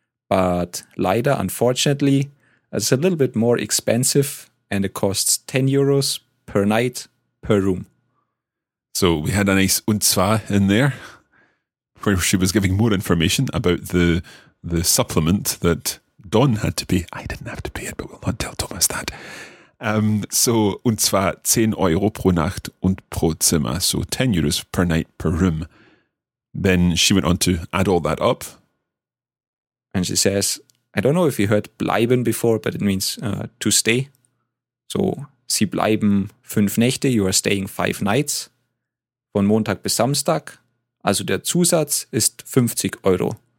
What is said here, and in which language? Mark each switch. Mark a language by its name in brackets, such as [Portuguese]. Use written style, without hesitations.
[English] But leider, unfortunately, it's a little bit more expensive and it costs 10 euros per night per room. So we had a nice [German] und zwar [English] in there where she was giving more information about the supplement that Don had to pay. I didn't have to pay it, but we'll not tell Thomas that. [German] So und zwar 10 euro pro Nacht und pro Zimmer. [English] So 10 euros per night per room. Then she went on to add all that up. And she says, I don't know if you heard bleiben before, but it means to stay. So, [German] sie bleiben 5 Nächte, [English] you are staying 5 nights. [German] Von Montag bis Samstag. Also der Zusatz ist 50 Euro.